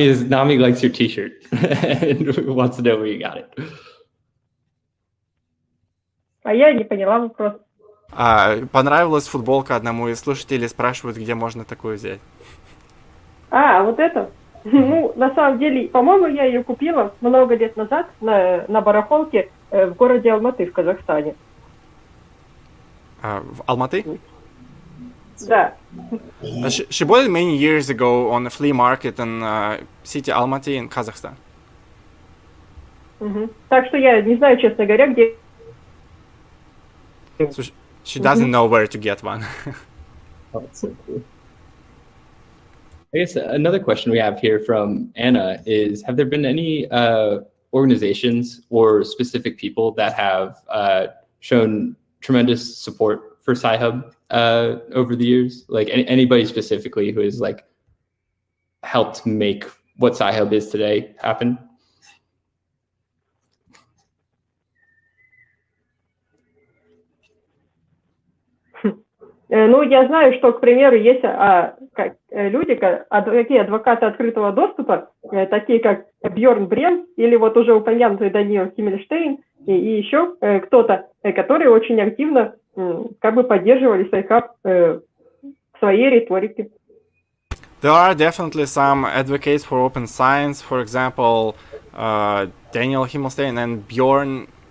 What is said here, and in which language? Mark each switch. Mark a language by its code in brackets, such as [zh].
[en] Nami likes your t-shirt and wants to know where you got it. [ru] А я не поняла вопрос. А, понравилась футболка одному из слушателей, спрашивают, где можно такую взять. А, вот это? Ну, на самом деле, по-моему, я ее купила много лет назад на барахолке в городе Алматы в Казахстане. В Алматы? Да. [en] She bought it many years ago on a flea market in city Almaty in Kazakhstan. [ru] Так что я не знаю, честно говоря, где... [en] So she doesn't know where to get one. I guess another question we have here from Anna is, have there been any organizations or specific people that have shown tremendous support for Sci-Hub over the years? Like anybody specifically who has like helped make what Sci-Hub is today happen? [ru] Ну, я знаю, что, к примеру, есть люди, такие адвокаты открытого доступа, такие как Бьорн Брен или вот уже упомянутый Даниил Химмельштейн и еще кто-то, которые очень активно как бы поддерживали Sci-Hub в своей риторике. [en] There are definitely some advocates for open science, for example, Daniel Himmelstein and Bjorn...